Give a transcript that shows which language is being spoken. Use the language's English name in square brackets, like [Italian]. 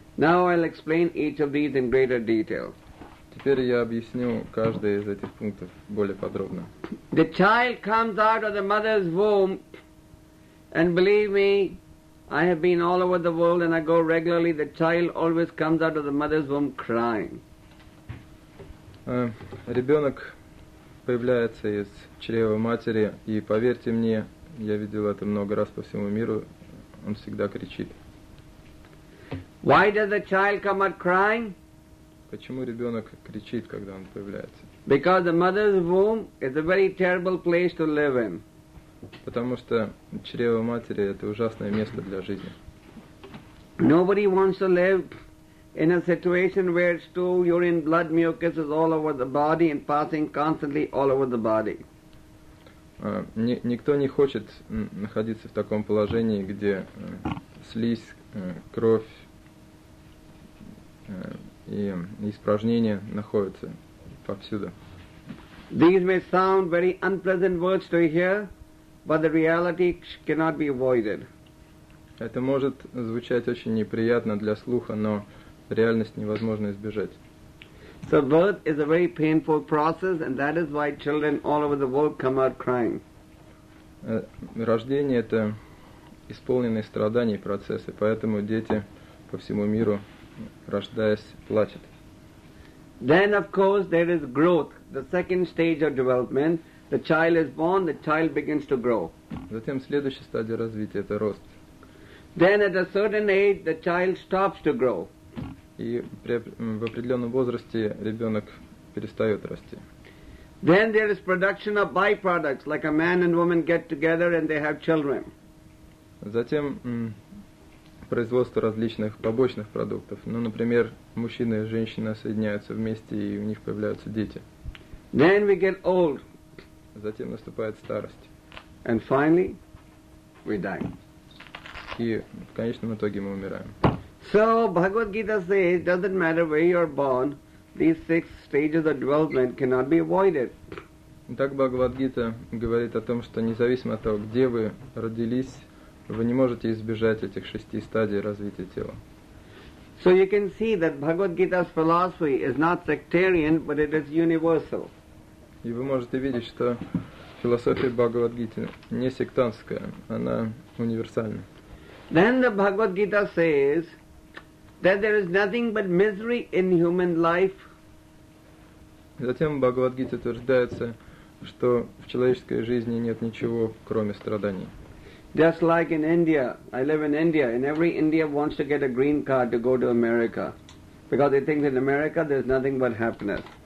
[English] Now I'll explain each of these in greater detail. [Russian] Теперь я объясню каждый из этих пунктов более подробно. [English] The child comes out of the mother's womb, and believe me, I have been all over the world and I go regularly, the child always comes out of the mother's womb crying. [Russian] Ребенок появляется из чрева матери, и поверьте мне, я видел это много раз по всему миру, он всегда кричит. [English] Why does the child come out crying? [Russian] Почему ребенок кричит, когда он появляется? [English] Because the mother's womb is a very terrible place to live in. [Russian] Потому что чрево матери – это ужасное место для жизни. [English] Nobody wants to live in a situation where stool, urine, blood, mucus is all over the body and passing constantly all over the body. [Russian] Никто не хочет находиться в таком положении, где слизь, кровь и испражнения находятся повсюду. [English] These may sound very unpleasant words to hear, but the reality cannot be avoided. [Russian] Это может звучать очень неприятно для слуха, но реальность невозможно избежать. [English] So birth is a very painful process, and that is why children all over the world come out crying. [Russian] Рождение – это исполненный страданий процесс, и поэтому дети по всему миру, рождаясь, плачут. [English] Then, of course, there is growth, the second stage of development. The child is born, the child begins to grow. [Russian] Затем следующая стадия развития – это рост. [English] Then, at a certain age, the child stops to grow. [Russian] И в определенном возрасте ребенок перестает расти. [English] Then there is production of byproducts, like a man and woman get together and they have children. [Russian] Затем производство различных побочных продуктов. Ну, например, мужчина и женщина соединяются вместе, и у них появляются дети. [English] Then we get old. [Russian] Затем наступает старость. [English] And finally, we die. [Russian] И в конечном итоге мы умираем. [English] So, Bhagavad Gita says, it doesn't matter where you are born, these six stages of development cannot be avoided. [Russian] Так Бхагавад Гита говорит о том, что независимо от того, где вы родились, вы не можете избежать этих шести стадий развития тела. [English] So you can see that Bhagavad Gita's philosophy is not sectarian, but it is universal. [Russian] И вы можете видеть, что философия Бхагавад Гиты не сектантская, она универсальна. [English] Then the Bhagavad Gita says that there is nothing but misery in human life. [Russian] Затем Бхагавад Гита утверждается, что в человеческой жизни нет ничего, кроме страданий. [English] Just like in India, I live in India, and every Indian wants to get a green card to go to America, because they think in America there's nothing but happiness.